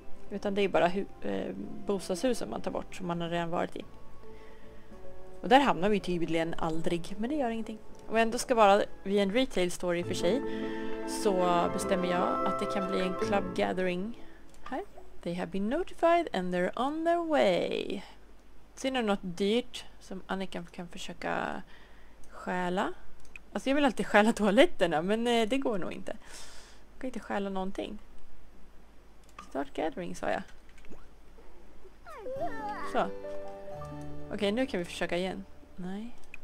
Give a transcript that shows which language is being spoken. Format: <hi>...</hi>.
<sv>Utan det är bara bostadshusen man tar bort som man har redan varit i. Och där hamnar vi tydligen aldrig, men det gör ingenting. Och ändå ska vara vid en retail store i och för sig. så bestämmer jag att det kan bli en club gathering här.</sv> <en>They have been notified and they're on their way.</en> <sv>Ser ni något dyrt som Annika kan försöka stjäla? Alltså jag vill alltid stjäla toaletterna, men det går nog inte. Jag kan inte stjäla någonting. Start gathering, sa jag. Så. Okej, nu kan vi försöka igen. Nej.</sv>